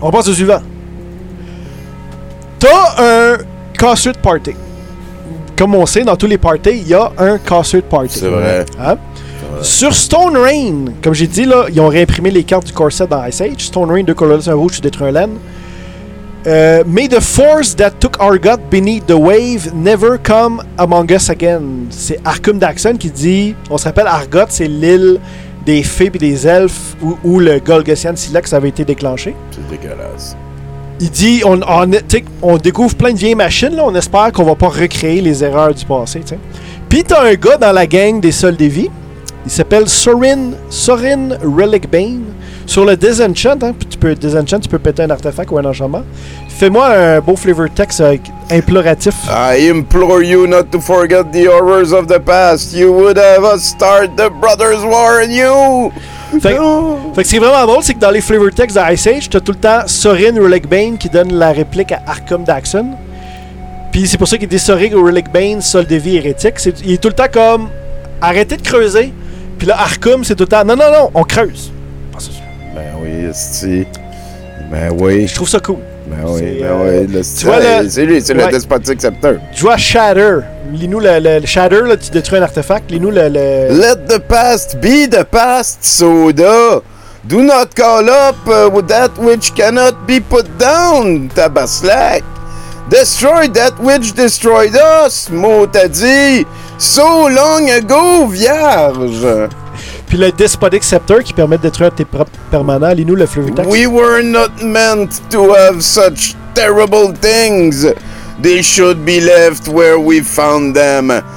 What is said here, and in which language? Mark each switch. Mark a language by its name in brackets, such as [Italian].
[French] On passe au suivant. T'as un Concert Party. Comme on sait, dans tous les parties, il y a un Concert Party. C'est vrai. Hein? C'est vrai. Sur Stone Rain, comme j'ai dit, là, ils ont réimprimé les cartes du corset dans Ice Age. Stone Rain, 2 colorless, 1 rouge, tu détruis un land. [English] May the force that took our god beneath the wave never come among us again. [French] C'est Arkum Daxon qui dit, on se rappelle, Argot, c'est l'île des fées et des elfes où le Golgothian Silex avait été déclenché. C'est dégueulasse. Il dit, on découvre plein de vieilles machines, là, on espère qu'on va pas recréer les erreurs du passé. T'sais. Puis t'as un gars dans la gang des soldes vie. Il s'appelle Sorin Relicbane. Sur le Disenchant, hein, tu peux Disenchant, tu peux péter un artefact ou un enchantement. Fais-moi un beau flavor text imploratif. [English] I implore you not to forget the horrors of the past. You would have us start the brothers' war in you. [French] Fait que ce qui est vraiment drôle, c'est que dans les flavor text d'Ice Age, t'as tout le temps Sorin Relicbane qui donne la réplique à Arkham Daxon. Puis c'est pour ça qu'il dit Sorin Relicbane, sol de vie hérétique. Il est tout le temps comme arrêtez de creuser. Puis là, Arkham, c'est tout le temps non, on creuse. Ben oui, esti. Ben oui. Je trouve ça cool. Ben oui. C'est lui, despotique scepter. Tu vois Shatter. Lis-nous le Shatter, là, tu détruis un artefact. Lis-nous le. [English] Let the past be the past, Soda. Do not call up with that which cannot be put down, Tabaslack. Destroy that which destroyed us, Motadi. So long ago, vierge. [French] Puis le Despotic Scepter qui permet de détruire tes propres permanents. Lis-nous le Fleuve Tax. [English] We were not meant to have such terrible things. They should be left where we found them.